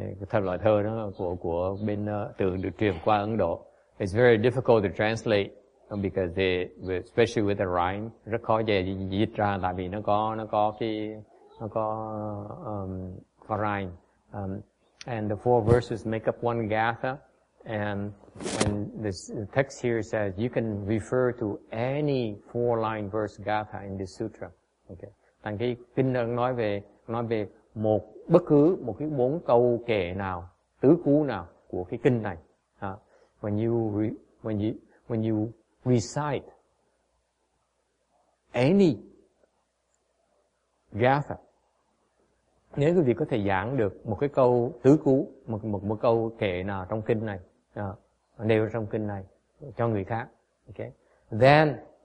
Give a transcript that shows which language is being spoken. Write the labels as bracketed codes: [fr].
[vi] Thật loại thơ đó của bên từ được truyền qua Ấn Độ. [en] It's very difficult to translate because especially with the rhyme, [vi] rất khó để dịch ra, tại vì nó có rhyme. [en] And the 4 verses make up 1 gatha, and this text here says you can refer to any 4-line verse gatha in this sutra. [vi] Okay, thành cái kinh đang nói về một bất cứ một cái 4 câu kệ nào, tứ cú nào của cái kinh này. [en] When you recite any gatha, [vi] nếu quý vị có thể giảng được một cái câu tứ cú, một câu kệ nào trong kinh này, nêu trong kinh này cho người khác, okay, then